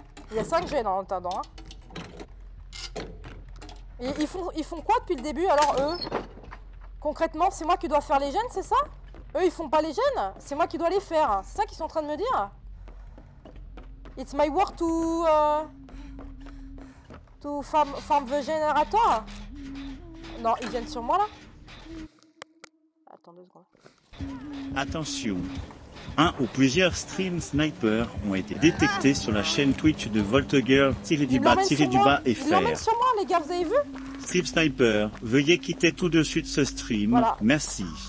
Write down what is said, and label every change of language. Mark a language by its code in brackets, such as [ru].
[fr] Il y a 5 gènes en attendant. Hein. Ils font quoi depuis le début alors eux? Concrètement, c'est moi qui dois faire les gènes, c'est ça? Eux ils font pas les gènes? C'est moi qui dois les faire. Hein. C'est ça qu'ils sont en train de me dire? [en] It's my work to farm the generator? [fr] Non, ils viennent sur moi là. Attends 2 secondes. Attention, un ou plusieurs stream snipers ont été détectés sur la chaîne Twitch de Voltegirl -du-bas et fer. Ils l'emmènent sur moi les gars, vous avez vu? Stream sniper, veuillez quitter tout de suite ce stream, voilà. Merci.